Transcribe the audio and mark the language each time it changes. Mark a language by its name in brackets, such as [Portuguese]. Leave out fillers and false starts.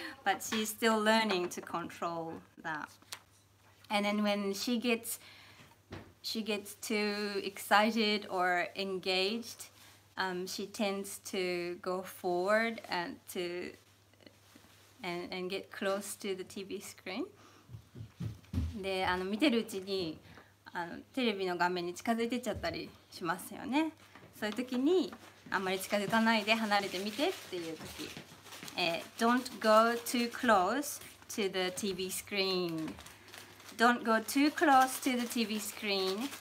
[English] But she's still learning to control that. And then when she gets too excited or engaged, she tends to go forward and get close to the TV screen. [Japanese] で、見てるうちにテレビの画面に近づいてちゃったりしますよね。そういう時にあんまり近づかないで離れてみてっていう時。 [English] Don't go too close to the TV screen. Don't go too close to the TV screen.